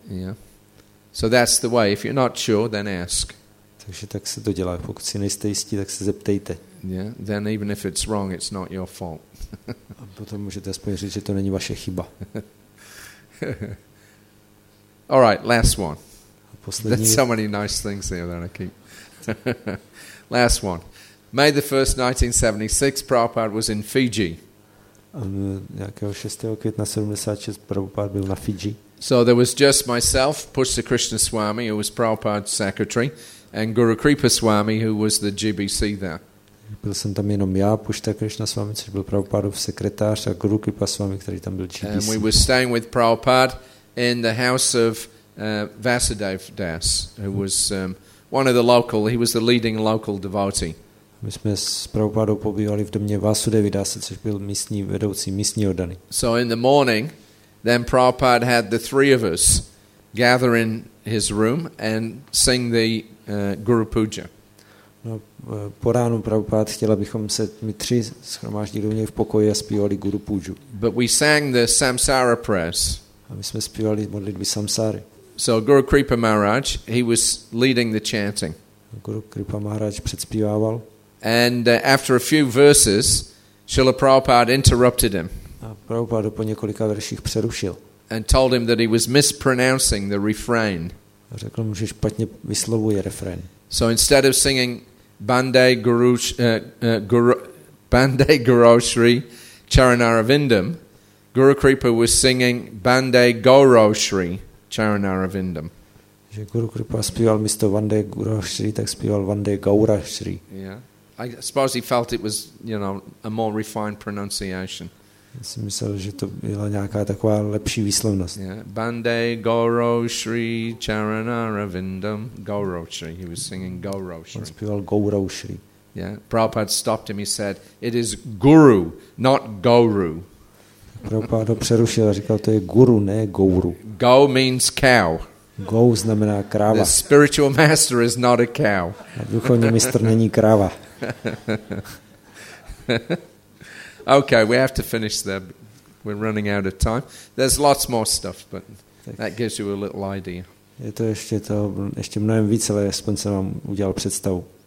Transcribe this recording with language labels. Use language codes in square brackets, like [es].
[en] Yeah. So that's the way. If you're not sure, then ask. [cs] Takže tak se to dělá. Pokud si nejste jistí, tak se zeptejte. [en] Yeah. Then even if it's wrong, it's not your fault. [cs] A potom můžete aspoň říct, že to není vaše chyba. [en] All right, last one. [cs] Poslední. [en] There's so many nice things there that I keep. Last one. May the 1st, 1976, Prabhupada was in Fiji. [cs] Jakého 6. května 76 Prabhupada byl na Fiji. [en] So there was just myself, Pushta Krishna Swami, who was Prabhupada's secretary, and Guru Kripa Swami, who was the GBC there. [cs] Byl jsem tam jenom já, Pushta Krishna Swami, což byl Prabhupadův sekretář, a Guru Kripa Swami, který tam byl GBC. [en] And we were staying with Prabhupada in the house of Vasudev Das, who was... one of the local, he was the leading local devotee. [cs] My jsme s Prabhupádou pobývali v domě Vasudevy Dasa, což byl místní vedoucí, místní oddaný. [en] So in the morning, then Prabhupada had the three of us gather in his room and sing the Guru Puja. [cs] No, po ránu Prabhupád chtěl, abychom se my tři shromáždili u něj v pokoji a zpívali Guru Puju. [en] But we sang the Samsara prayers. [cs] A my jsme zpívali modlitby Samsary. [en] So Guru Kripa Maharaj, he was leading the chanting. [cs] Guru Kripa Maharaj předzpíval. [en] And after a few verses, Srila Prabhupada interrupted him. [cs] A Prabhupada po několika verších přerušil. [en] And told him that he was mispronouncing the refrain. [cs] Řekl mu, že špatně vyslovuje refrén. [en] So instead of singing Bande Guru Shri Charanaravindam, Guru Kripa was singing Bande Goro Shri Charanaravindam. [cs] Že Guru Kripa zpíval místo Vande Guru Shri, tak zpíval Vande Gaura Shri. [en] Yeah. I suppose he felt it was, you know, a more refined pronunciation. [cs] Já si myslel, že to byla nějaká taková lepší výslovnost. [en] Yeah. Vande Guru Shri Charanaravindam Gaura Shri. He was singing Gaura Shri. [cs] On zpíval Gaura Shri. [en] Yeah. Prabhupada stopped him. He said, "It is Guru, not Guru." [cs] Prabhupada ho přerušil a říkal, to je guru, ne gouru. [en] Go means cow. [cs] Go znamená kráva. [en] The spiritual master is not a cow. [cs] Duchovní mistr není kráva. [en] Okay, we have to finish there. We're running out of time. There's lots more stuff, but that gives you a little idea. [cs] Je to ještě mnohem víc, ale aspoň jsem vám udělal představu.